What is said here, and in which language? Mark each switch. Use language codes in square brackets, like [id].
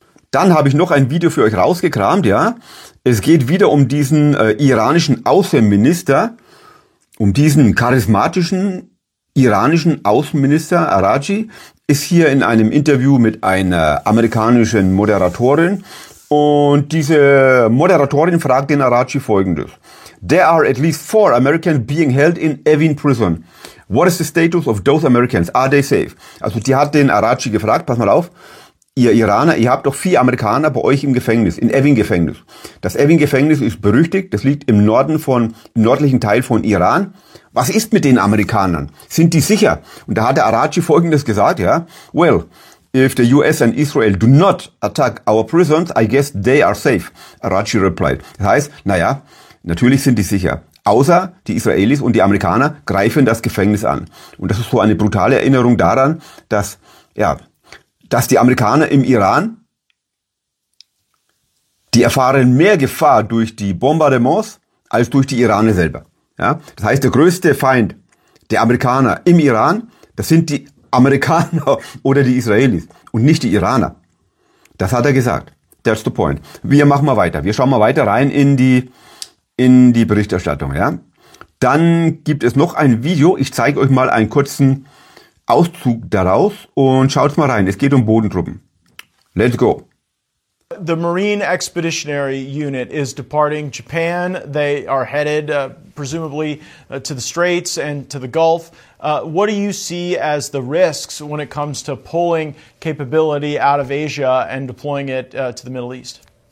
[de] Dann habe ich noch ein Video für euch rausgekramt, ja. Es geht wieder um diesen iranischen Außenminister, um diesen charismatischen iranischen Außenminister Araghchi, ist hier in einem Interview mit einer amerikanischen Moderatorin. Und diese Moderatorin fragt den Araghchi Folgendes. [en] There are at least 4 Americans being held in Evin prison. What is the status of those Americans? Are they safe? [de] Also die hat den Araghchi gefragt, pass mal auf, ihr Iraner, ihr habt doch 4 Amerikaner bei euch im Gefängnis, in Evin Gefängnis. Das Evin Gefängnis ist berüchtigt, das liegt im nördlichen Teil von Iran. Was ist mit den Amerikanern? Sind die sicher? Und da hat der Araghchi Folgendes gesagt, ja. [en] Well, if the US and Israel do not attack our prisons, I guess they are safe. Araghchi replied. [de] Das heißt, naja, natürlich sind die sicher. Außer die Israelis und die Amerikaner greifen das Gefängnis an. Und das ist so eine brutale Erinnerung daran, dass die Amerikaner im Iran, die erfahren mehr Gefahr durch die Bombardements als durch die Iraner selber. Ja? Das heißt, der größte Feind der Amerikaner im Iran, das sind die Amerikaner oder die Israelis und nicht die Iraner. Das hat er gesagt. [en] That's the point. [de] Wir machen mal weiter. Wir schauen mal weiter rein in die Berichterstattung, ja. Dann gibt es noch ein Video. Ich zeige euch mal einen kurzen Auszug daraus und schaut mal rein. Es geht um Bodentruppen. [en] Let's go. The Marine Expeditionary Unit is departing Japan. They are headed presumably to the Straits and to the Gulf. What do you see as the risks when it comes to pulling capability out of Asia and deploying it to the Middle East?